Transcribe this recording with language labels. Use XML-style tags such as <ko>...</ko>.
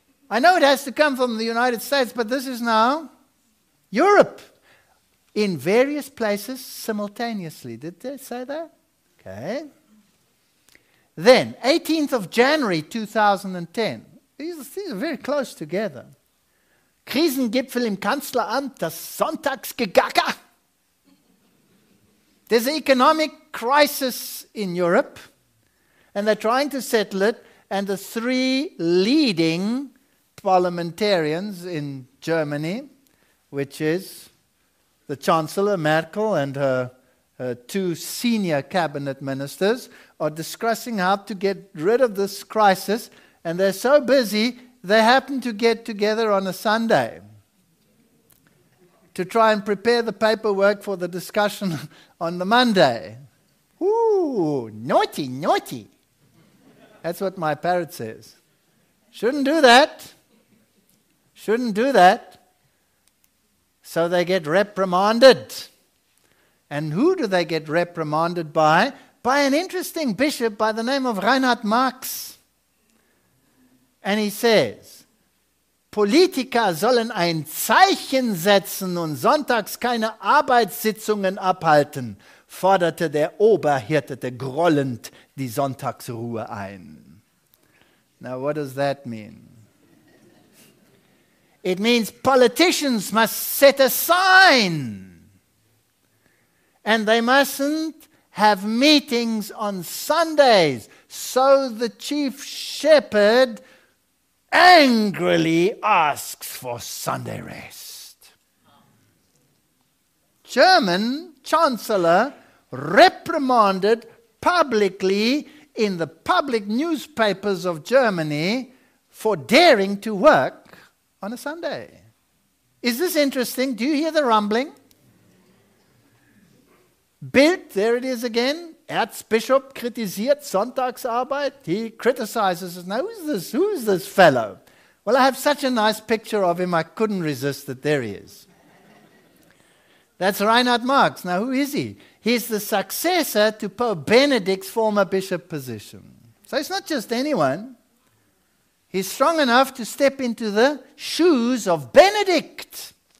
<en>I know it has to come from the United States, but this is now Europe in various places simultaneously. Did they say that? Okay. Then, 18th of January 2010. These are very close together.</en> <de>Krisengipfel im Kanzleramt, das Sonntagsgegacker.</de> <en>There's an economic crisis in Europe, and they're trying to settle it, and the three leading parliamentarians in Germany, which is the Chancellor Merkel and her two senior cabinet ministers, are discussing how to get rid of this crisis, and they're so busy, they happen to get together on a Sunday to try and prepare the paperwork for the discussion on the Monday. Ooh, naughty, naughty. That's what my parrot says. Shouldn't do that. Shouldn't do that. So they get reprimanded. And who do they get reprimanded by? By an interesting bishop by the name of Reinhard Marx. And he says,</en> <de>Politiker sollen ein Zeichen setzen und sonntags keine Arbeitssitzungen abhalten, forderte der Oberhirte grollend die Sonntagsruhe ein.</de> <en>Now, what does that mean? It means politicians must set a sign and they mustn't have meetings on Sundays. So the chief shepherd angrily asks for Sunday rest. German Chancellor reprimanded publicly in the public newspapers of Germany for daring to work on a Sunday. Is this interesting? Do you hear the rumbling? Bild, there it is again.</en> <de>Erzbishop kritisiert Sonntagsarbeit.</de> <en>He criticizes us. Now, who is this fellow? Well, I have such a nice picture of him, I couldn't resist it. There he is. That's Reinhard Marx. Now, who is he? He's the successor to Pope Benedict's former bishop position. So it's not just anyone. He's strong enough to step into the shoes of Benedict.</en>